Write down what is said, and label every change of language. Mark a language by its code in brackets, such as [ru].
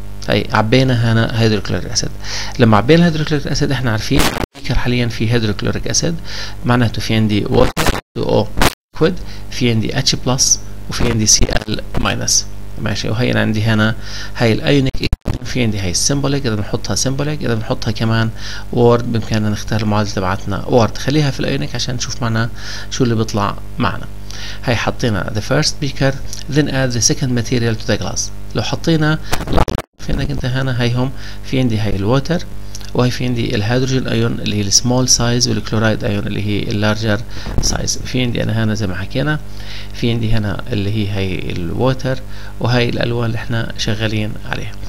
[ar] اي عبينا هنا هيدروكلوريك اسيد. لما عبينا هيدروكلوريك اسيد احنا عارفين حاليا في هيدروكلوريك اسيد، معناته في عندي ووتر O ليكويد، في عندي H بلس، وفي عندي Cl ماينس. ماشي، وهي عندي هنا هاي الايونيك، في عندي هاي السيمبوليك، اذا بنحطها سيمبوليك، اذا بنحطها كمان وورد بامكاننا نختار المعادله تبعتنا وورد. خليها في الايونيك عشان نشوف معنا شو اللي بيطلع معنا. هاي حطينا [en] the first beaker then add the second material to the glass. [ar] لو حطينا في انك انت هنا هايهم، في عندي هاي الووتر، وهي في عندي الهيدروجين ايون اللي هي السمول سايز، والكلورايد ايون اللي هي اللارجر سايز. في عندي انا هنا زي ما حكينا، في عندي هنا اللي هي هاي الووتر، وهي الالوان اللي احنا شغالين عليها.